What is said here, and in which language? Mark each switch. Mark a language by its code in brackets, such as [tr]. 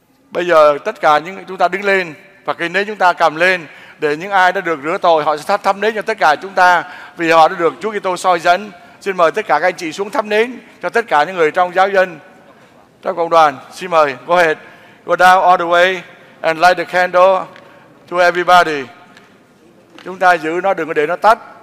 [vi] Bây giờ tất cả những chúng ta đứng lên và cái nến chúng ta cầm lên, để những ai đã được rửa tội, họ sẽ thắp nến cho tất cả chúng ta vì họ đã được Chúa Kitô soi dẫn. Xin mời tất cả các anh chị xuống thắp nến cho tất cả những người trong giáo dân, trong cộng đoàn. Xin mời, [en] go ahead, go down all the way and light the candle to everybody. [vi] Chúng ta giữ nó, đừng có để nó tắt.